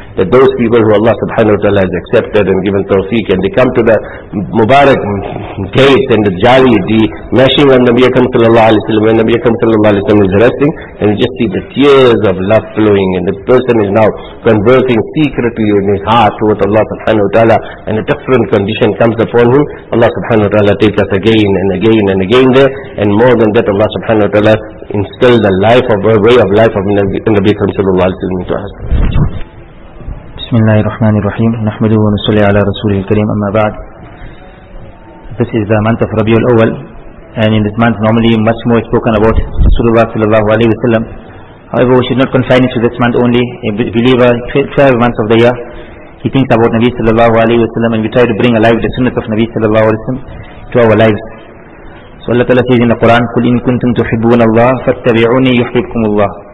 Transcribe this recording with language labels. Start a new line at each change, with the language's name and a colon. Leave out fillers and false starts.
English: That those people who Allah subhanahu wa ta'ala has accepted and given tawfiq, and they come to the Mubarak gate and the jali, the mashing of Nabi Akram sallallahu alayhi wa sallam, when Nabi Akram sallallahu alayhi wa sallam is resting, and you just see the tears of love flowing, and the person is now converting secretly in his heart towards Allah subhanahu wa ta'ala, and a different condition comes upon him. Allah subhanahu wa ta'ala takes us again and again and again there, and more than that, Allah subhanahu wa ta'ala instills the life of a way of life of Nabi Akram sallallahu alayhi wa sallam into us.
Arabic: بسم الله الرحمن الرحيم نحمده ونصلي على رسوله الكريم أما بعد
English: This is the month of Rabiul Awal, and in this month normally much more is spoken about Rasulullah sallallahu alayhi wa sallam. However, we should not confine it to this month only. A believer, 12 months of the year, he thinks about Nabi sallallahu alayhi wa sallam, and we try to bring alive the sunnah of Nabi sallallahu alayhi wa sallam to our lives. So Allah Ta'ala says in the Quran,
Arabic: قُلْ إِن كُنْتُمْ تُحِبُّونَ اللَّهَ فَاتَّبِعُونِي يُحْبِبْكُمُ اللَّهِ.